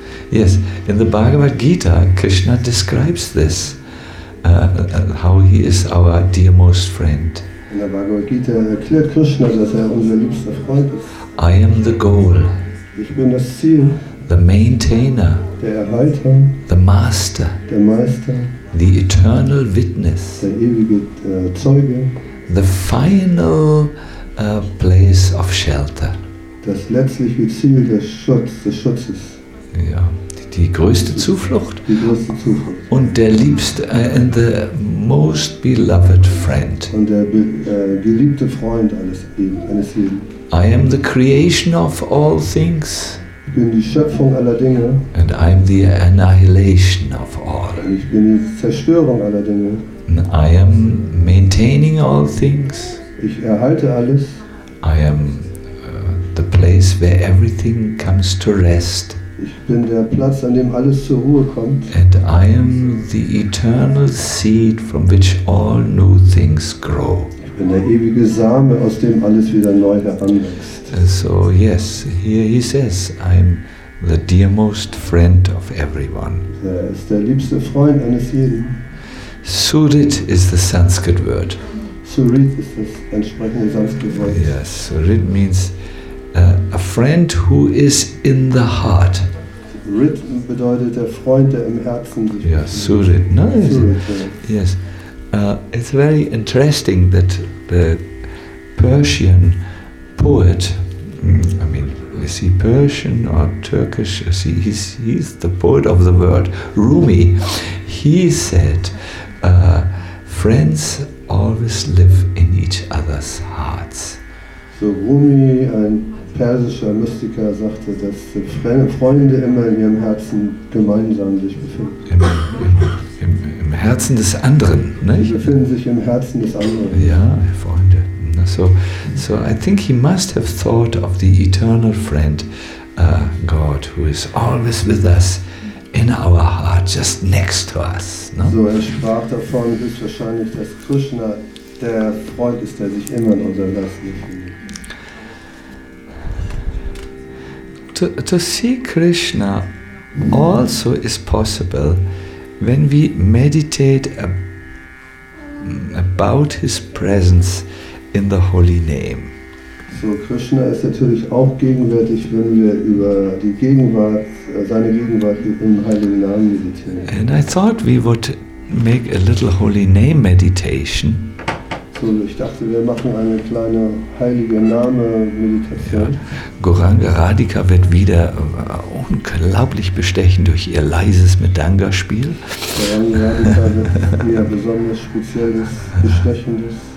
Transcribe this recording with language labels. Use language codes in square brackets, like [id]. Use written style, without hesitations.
[en] Yes, in the Bhagavad Gita, Krishna describes this, how he is our dear most friend. [de] In the Bhagavad Gita erklärt Krishna, dass unser liebster Freund ist. [en] I am the goal. [de] Ich bin das Ziel. [en] The maintainer. [de] Der Erhalter. [en] The master. [de] Der Meister. [en] The eternal witness. [de] Der ewige Zeuge. [en] The final place of shelter. [de] Das letztliche Ziel des Schutz, des Schutzes. Ja, die größte Zuflucht. Die größte Zuflucht. Und der liebste, [en] and the most beloved friend. [de] Und der geliebte Freund eines jeden. [en] I am the creation of all things. [de] Ich bin die Schöpfung aller Dinge. [en] And I am the annihilation of all. [de] Und ich bin die Zerstörung aller Dinge. [en] And I am maintaining all things. [de] Ich erhalte alles. [en] I am the place where everything comes to rest. [de] Ich bin der Platz, an dem alles zur Ruhe kommt. [en] And I am the eternal seed from which all new things grow. [de] Ich bin der ewige Same, aus dem alles wieder neu heranwächst. [en] So yes, here he says, I'm the dearmost friend of everyone. [de] Er ist der liebste Freund eines jeden. [en] Surit is the Sanskrit word. [de] Surit ist das entsprechende Sanskrit Wort. [en] Yes, Surit means a friend who is in the heart. [de] Rit bedeutet der Freund, der im Herzen sich befindet. Ja, [en] Surit. No, Surit, yes. Yes. It's very interesting that the Persian poet, I mean, is he Persian or Turkish? He's the poet of the world, Rumi. He said, friends always live in each other's hearts. [de] So Rumi, ein persischer Mystiker, sagte, dass Freunde immer in ihrem Herzen gemeinsam sich befinden. Im Herzen des anderen, ne? Sie befinden sich im Herzen des anderen. Ja, Freunde. [en] So I think he must have thought of the eternal friend, God, who is always with us, in our heart, just next to us. No? [de] So er sprach davon, ist wahrscheinlich, dass Krishna der Freund ist, der sich immer in unserem Herzen befindet. [en] To see Krishna also is possible when we meditate about his presence in the holy name. [de] So Krishna ist natürlich auch gegenwärtig, wenn wir über die Gegenwart, seine Gegenwart im heiligen Namen meditieren. [en] And I thought we would make a little holy name meditation. [de] So ich dachte, wir machen eine kleine heilige Name Meditation. Ja. Goranga Radhika wird wieder unglaublich bestechen durch ihr leises Medanga Spiel. Goranga Radhika wird ihr besonders spezielles bestechendes